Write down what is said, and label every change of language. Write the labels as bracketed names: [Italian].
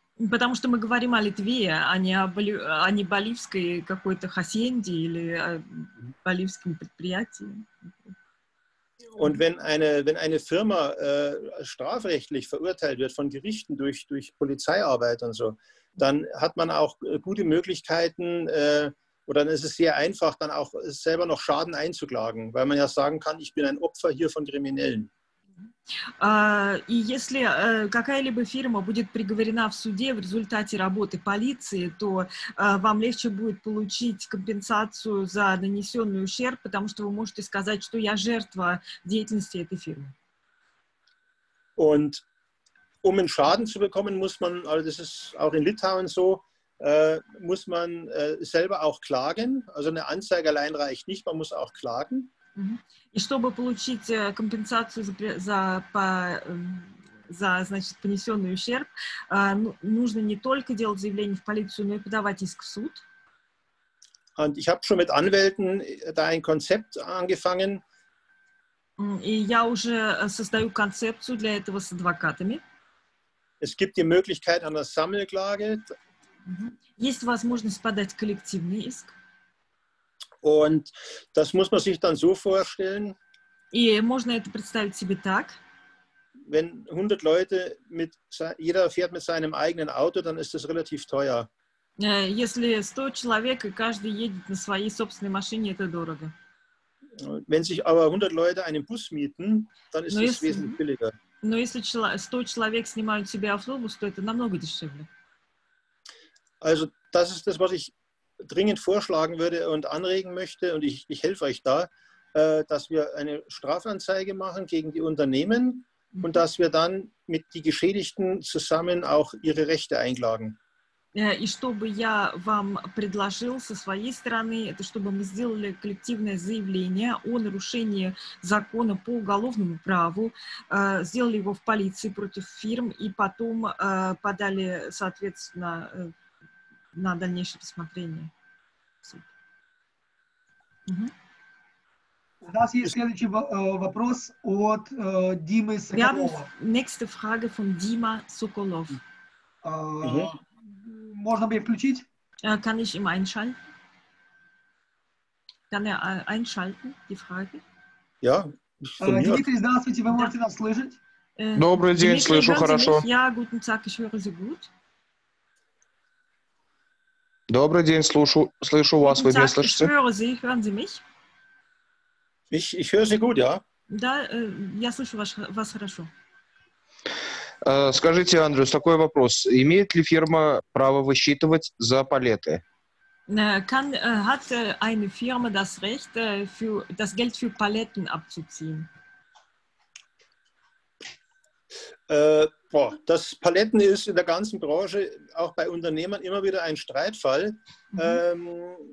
[Russian] Потому что мы говорим о Литве, а не о боливской какой-то хасьенде или боливском предприятии. [German] Und wenn eine Firma strafrechtlich verurteilt wird von Gerichten durch Polizeiarbeit und so, dann hat man auch gute Möglichkeiten, oder dann ist es sehr einfach, dann auch selber noch Schaden einzuklagen, weil man ja sagen kann, ich bin ein Opfer hier von Kriminellen. [Russian] И если какая-либо фирма будет приговорена в суде в результате работы полиции, то вам легче будет получить компенсацию за нанесенный ущерб, потому что вы можете сказать, что я жертва деятельности этой фирмы. [German] Und um einen Schaden zu bekommen, muss man, also das ist auch in Litauen so, muss man selber auch klagen. Also eine Anzeige allein reicht nicht, man muss auch klagen. [Russian] И чтобы получить компенсацию за понесенный ущерб, нужно не только делать заявление в полицию, но и подавать иск в суд. [German] Und ich habe schon mit Anwälten da ein Konzept angefangen. [Russian] И я уже создаю концепцию для этого с адвокатами. [German] Es gibt die Möglichkeit einer Sammelklage. [Russian] Есть возможность подать коллективный иск. [German] Und das muss man sich dann so vorstellen. [Russian] И можно это представить себе так. [German] Wenn 100 Leute mit jeder fährt mit seinem eigenen Auto, dann ist das relativ teuer. [Russian] Если 100 человек и каждый едет на своей собственной машине, это дорого. [German] Wenn sich aber 100 Leute einen Bus mieten, dann ist das wesentlich billiger. [Russian] Но если 100 человек снимают себе автобус, то это намного дешевле. [German] Also, das ist das, was ich dringend vorschlagen würde und anregen möchte, und ich helfe euch da, dass wir eine Strafanzeige machen gegen die Unternehmen und dass wir dann mit den Geschädigten zusammen auch ihre Rechte einklagen. [Russian] И чтобы я вам предложил со своей стороны, это чтобы мы сделали коллективное заявление о нарушении закона по уголовному праву, сделали его в полиции против фирм и потом подали, соответственно, на дальнейшее рассмотрение. У нас есть следующий вопрос от Димы Соколова. [German] Nächste Frage von Dima Sokolov. [Russian] Можно бы включить? [German] Kann ich ihm einschalten? Kann er einschalten, die Frage? Ja. [Russian] Dimitri, здравствуйте, вы можете нас слышать? Добрый день, Dimitri, слышу хорошо. [German] Ja, guten Tag, ich höre Sie gut. [Russian] Добрый день, слышу вас, вы меня слышите? [German] Hören Sie mich? Ich höre Sie gut, ja? [Russian] Да, я слышу вас хорошо. Скажите, Андрюс, такой вопрос. Имеет ли фирма право высчитывать за палеты? [German] Hat eine Firma das Recht, das Geld für Paletten abzuziehen? Das Paletten ist in der ganzen Branche, auch bei Unternehmern, immer wieder ein Streitfall. Mhm.